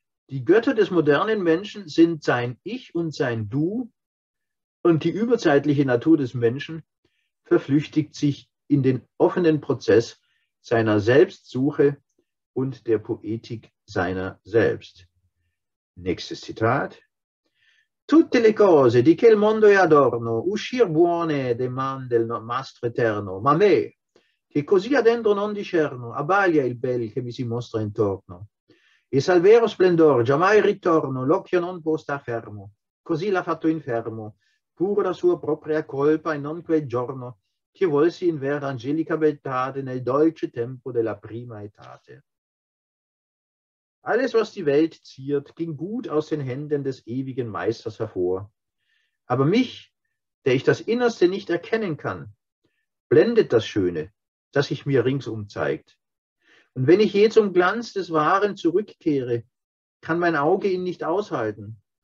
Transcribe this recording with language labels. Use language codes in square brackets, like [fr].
[de] Die Götter des modernen Menschen sind sein Ich und sein Du, und die überzeitliche Natur des Menschen verflüchtigt sich in den offenen Prozess seiner Selbstsuche und der Poetik seiner selbst. Nächstes Zitat. [it] Tutte le cose di quel mondo è adorno uscir buone de man del mastro eterno, ma me, che così adentro non discerno, abbaglia il bel che mi si mostra intorno. E sal vero splendor giammai ritorno, l'occhio non può star fermo, così l'ha fatto infermo, pur la sua propria colpa e non quel giorno, che volsi in vera angelica beltate nel dolce tempo della prima etate. [de] Alles, was die Welt ziert, ging gut aus den Händen des ewigen Meisters hervor. Aber mich, der ich das Innerste nicht erkennen kann, blendet das Schöne, das sich mir ringsum zeigt. Und wenn ich je zum Glanz des Wahren zurückkehre, kann mein Auge ihn nicht aushalten.